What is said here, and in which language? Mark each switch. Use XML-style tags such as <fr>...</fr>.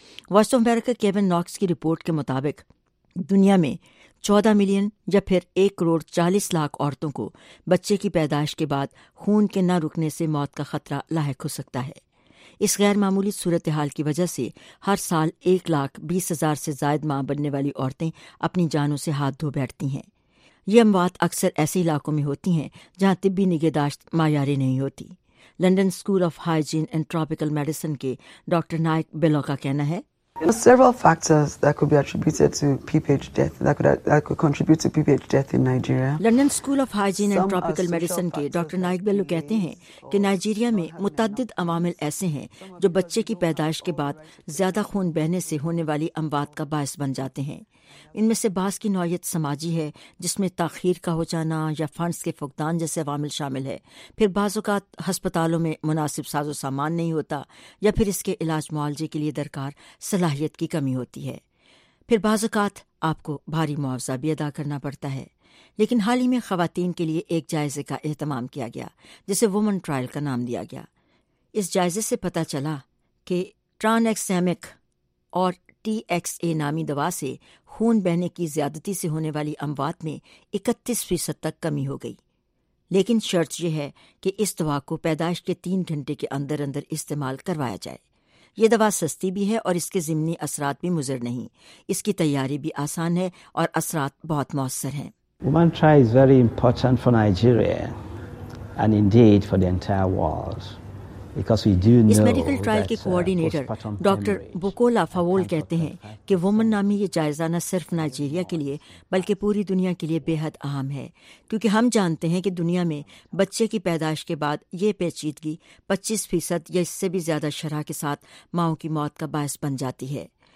<ur>Voice of America Kevin knocks کی report کے مطابق دنیا میں 14 ملین یا پھر 1,40,00,000 عورتوں کو بچے کی پیدائش کے بعد خون کے نہ رکنے سے موت کا خطرہ لاحق ہو سکتا ہے۔ اس غیر معمولی صورتحال کی وجہ سے ہر سال 1,20,000 سے زائد ماں بننے والی عورتیں اپنی جانوں سے ہاتھ دھو بیٹھتی ہیں۔ یہ اموات اکثر ایسے علاقوں میں ہوتی ہیں جہاں طبی نگہداشت معیاری نہیں ہوتی۔ London school of hygiene and tropical medicine کے ڈاکٹر نائک بلو کا کہنا ہے,</ur> <en>Several factors that could be attributed to PPH death that could contribute to PPH death in Nigeria.</en> <ur>London School of Hygiene and Tropical Medicine کے doctor Naik بلو کہتے ہیں کہ Nigeria میں متعدد عوامل ایسے ہیں جو بچے کی پیدائش کے بعد زیادہ خون بہنے سے ہونے والی اموات کا باعث بن جاتے ہیں۔ ان میں سے بعض کی نوعیت سماجی ہے, جس میں تاخیر کا ہو جانا یا فنڈز کے فقدان جیسے عوامل شامل ہے۔ پھر بعض اوقات ہسپتالوں میں مناسب ساز و سامان نہیں ہوتا, یا پھر اس کے علاج معالجے کے لیے درکار صلاحیت کی کمی ہوتی ہے۔ پھر بعض اوقات آپ کو بھاری معاوضہ بھی ادا کرنا پڑتا ہے۔ لیکن حال ہی میں خواتین کے لیے ایک جائزے کا اہتمام کیا گیا جسے وومن ٹرائل کا نام دیا گیا۔ اس جائزے سے پتہ چلا کہ ٹرانیکسیمک اور ٹی ایکس اے نامی دوا سے خون بہنے کی زیادتی سے ہونے والی اموات میں 31% تک کمی ہو گئی۔ لیکن شرط یہ ہے کہ اس دوا کو پیدائش کے 3 گھنٹے کے اندر اندر استعمال کروایا جائے۔ یہ دوا سستی بھی ہے اور اس کے ضمنی اثرات بھی مضر نہیں۔ اس کی تیاری بھی آسان ہے اور اثرات بہت مؤثر ہیں۔</ur> <en>Woman Try is very important for Nigeria and indeed for the entire world.</en> <ur>اس medical trial کے کوآرڈینیٹر ڈاکٹر بوکولا فاول کہتے ہیں کہ وومن نامی یہ جائزہ نہ صرف نائجیریا کے لیے بلکہ پوری دنیا کے لیے بے حد اہم ہے, کیونکہ ہم جانتے ہیں کہ دنیا میں بچے کی پیدائش کے بعد یہ پیچیدگی 25% یا اس سے بھی زیادہ شرح کے ساتھ ماؤں کی موت کا باعث بن جاتی ہے۔</ur>